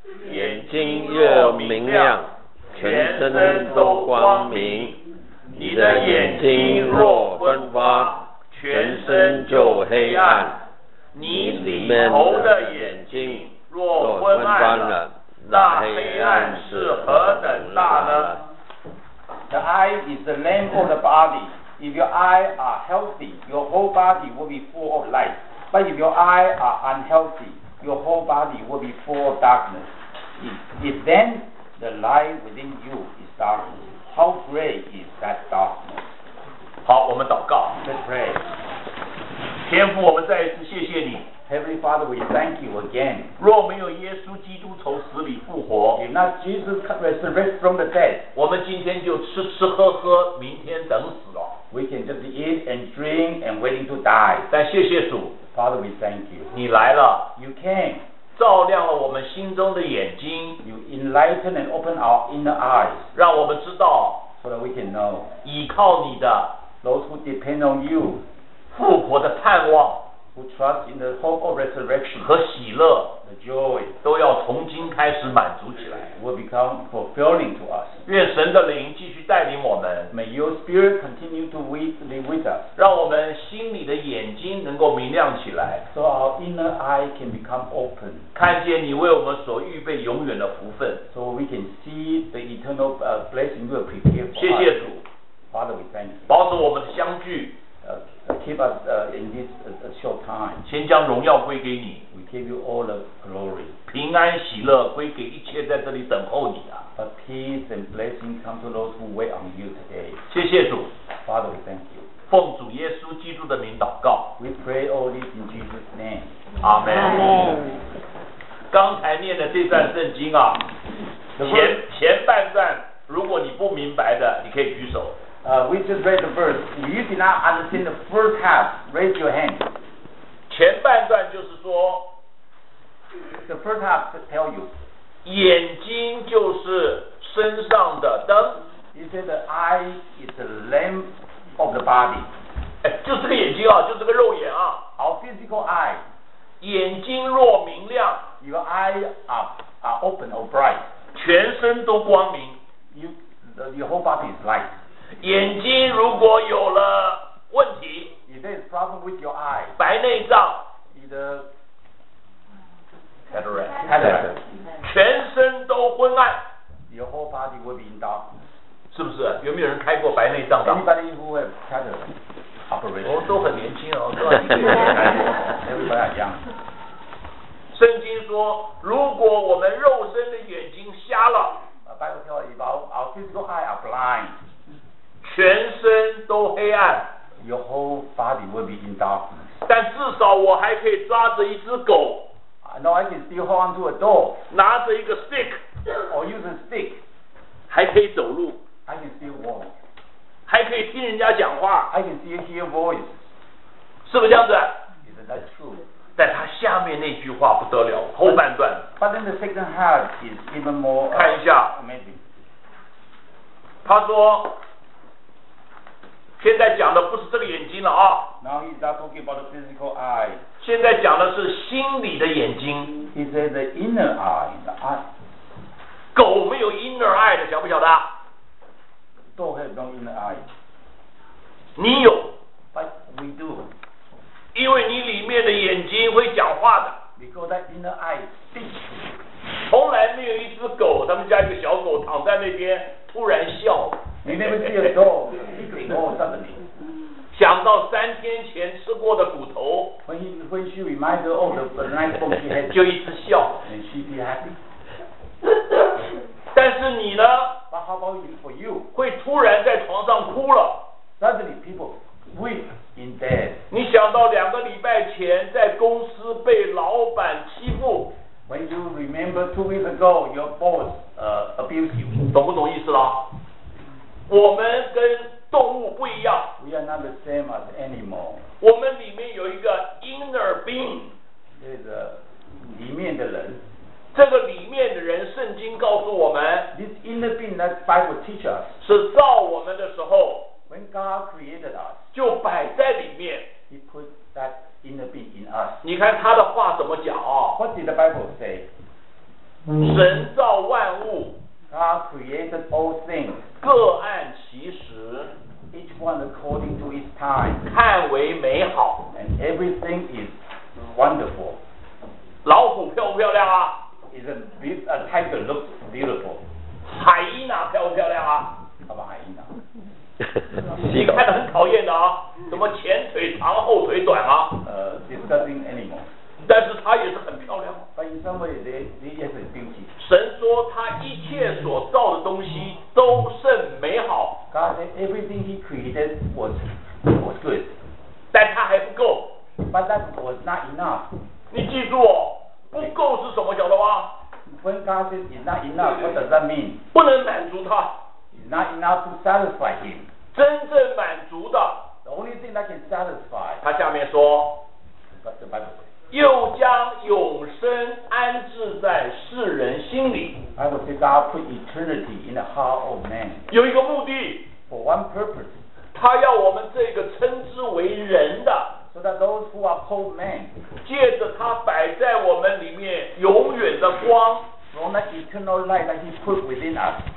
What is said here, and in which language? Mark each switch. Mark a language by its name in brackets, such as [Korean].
[Chinese] 眼睛越明亮，全身都光明。你的眼睛若昏花，全身就黑暗。你里头的眼睛若昏暗了，那黑暗是何等大呢？ [English] The eye is the lamp of the body. If your eye are healthy, your whole body will be full of light. But if your eye are unhealthy, your whole body will be full of darkness. If then the light within you is darkness, how great is that darkness? [Chinese] 好，我们祷告。 [English] Let's pray. [Chinese] 天父，我们再一次谢谢你。 [English] Heavenly Father, we thank you again. [Chinese] 若没有耶稣基督从死里复活 [English] If not Jesus resurrected from the dead, [Chinese] 我们今天就吃吃喝喝，明天等死了。 [English] We can just eat and drink and waiting to die. [Chinese] 但谢谢主 [English] Father, we thank you. [Chinese] 你来了 [English] You came. [Chinese] 照亮了我们心中的眼睛 [English] You enlighten and open our inner eyes. [Chinese] 让我们知道 [English] So that we can know. [Chinese] 依靠你的 [English] Those who depend on you. [Chinese] 复活的盼望 [English] Who trust in the hope of resurrection [Chinese] 和喜乐 [English] the joy [Chinese] 都要从今开始满足起来 [English] will become fulfilling to us [Chinese] 愿神的灵继续带领我们 [English] May your spirit continue to live with us [Chinese] 让我们心里的眼睛能够明亮起来 [English] so our inner eye can become open [Chinese] 看见你为我们所预备永远的福分 [English] so we can see the eternal blessing you have prepared for us [Chinese] 谢谢主 [English] Father we thank you [Chinese] 保守我们的相聚 [English] Keep us in this short time. [Chinese] 先将荣耀归给你。 [English] We give you all the glory. [Chinese] 平安喜乐归给一切在这里等候你的。 [English] But peace and blessing come to those who wait on you today. [Chinese] 谢谢主。 [English] Father, we thank you. [Chinese] 奉主耶稣基督的名祷告。 [English] We pray all this in Jesus' name. Amen. Amen. [Chinese] 刚才念的这段圣经啊，前半段，如果你不明白的，你可以举手。 [English] We just read the verse. If you did not understand the first half, raise your hand. [Chinese] 前半段就是说 [English] The first half to tell you. [Chinese] 眼睛就是身上的灯 [English] You say the eye is the lamp of the body. [Chinese] 就是个眼睛啊，就是个肉眼啊。 [English] Our physical eye. [Chinese] 眼睛若明亮 [English] Your eye are open or bright. [Chinese] 全身都光明 [English] Your whole body is light. [Chinese] 眼睛如果有了问题 [English] If there is problem with your eye [Chinese] 白内障你的 cataract. 全身都昏暗。 [English] Your whole body will be in dark. [Chinese] 是不是？有没有人开过白内障的 [English] ？Anybody who have cataract operation? [Chinese] 都很年轻哦，都很年轻。 [English] Everybody young. [Chinese] 圣经说，如果我们肉身的眼睛瞎了 [English] ，The Bible tells if our physical eye are blind, [Chinese] 全身都黑暗。 [English] Your whole body will be in dark. [Chinese] 但至少我还可以抓着一只狗。 [English] No, I can still hold onto a dog. [Chinese] 拿着一个 stick, [English] or use a stick, [Chinese] 还可以走路。 [English] I can still walk. [Chinese] 还可以听人家讲话。 [English] I can still hear voices. [Chinese] 是不是这样子 [English] ？Isn't that true? [Chinese] 但他下面那句话不得了，后半段。 [English] But then the second half is even more. [Chinese] 看一下。 [English] Amazing. [Chinese] 他说，现在讲的不是这个眼睛了啊。 [English] Now he's not talking about the physical eye. [Chinese] 现在讲的是心里的眼睛。 [English] He said the inner eye, the eye. [Chinese] 狗没有 [English] inner eye [Chinese] 的，晓不晓得 [English] ？Dog has no inner eye. [Chinese] 你有。 [English] But we do. [Chinese] 因为你里面的眼睛会讲话的。 [English] Because that inner eye speaks. [Chinese] 从来没有一只狗，他们家一个小狗躺在那边突然笑。 [English] You never see a dog eating all suddenly. [Chinese] 想到三天前吃过的骨头。 [English] When she reminds her of the night bone she had. [Chinese] 就一直笑。 [English] And she'd be happy. [Chinese] 但是你呢 [English] ？But how about you, for you? [Chinese] 会突然在床上哭了。 [English] Suddenly people weep in bed. [Chinese] 你想到两个礼拜前在公司被老板欺负。 [English] When you remember 2 weeks ago your boss abused you. [Chinese] 懂不懂意思了？我们跟动物不一样。 [English] We are not the same as animal. [Chinese] 我们里面有一个 [English] inner being. [Chinese] 这个里面的人。这个里面的人，圣经告诉我们。 [English] This inner being that Bible teaches us. [Chinese] 是造我们的时候。 [English] When God created us. [Chinese] 就摆在里面。 [English] He put that inner being in us. [Chinese] 你看他的话怎么讲啊 [English] ？What did the Bible say? [Chinese] 神造万物。 [English] God created all things. [Chinese] 各按其时。 [English] Each one according to its time. [Chinese] 看为美好。 [English] And everything is wonderful. [Chinese] 老虎漂不漂亮啊 [English] ？Isn't a tiger looks beautiful? [Chinese] 海伊娜漂不漂亮啊？什么海伊娜？你看得很讨厌的啊！什么前腿长后腿短啊？ [English] Disgusting animal. [Chinese] 但是它也是很漂亮。 [English] But in some way, they are very beautiful. [Chinese] 神说他一切所造的东西都甚美好。 [English] God said everything he created was good. [Chinese] 但他还不够。 [English] But that was not enough. [Chinese] 你记住哦，不够是什么晓得吗 [English] ？When God says it's not enough, what does that mean? [Chinese] 不能满足他。 [English] Not enough to satisfy him. [Chinese] 真正满足的 [English] ，the only thing that can satisfy. [Chinese] 他下面说 [English] ，But the Bible says, [Chinese] 又将永生安置在世人心里。 [English] I would say God put eternity in the heart of man. [Chinese] 有一个目的 [English] ，for one purpose. [Chinese] 他要我们这个称之为人的 [English] ，so that those who are called man, [Chinese] 借着他摆在我们里面永远的光 [English] ，from that eternal light that he put within us.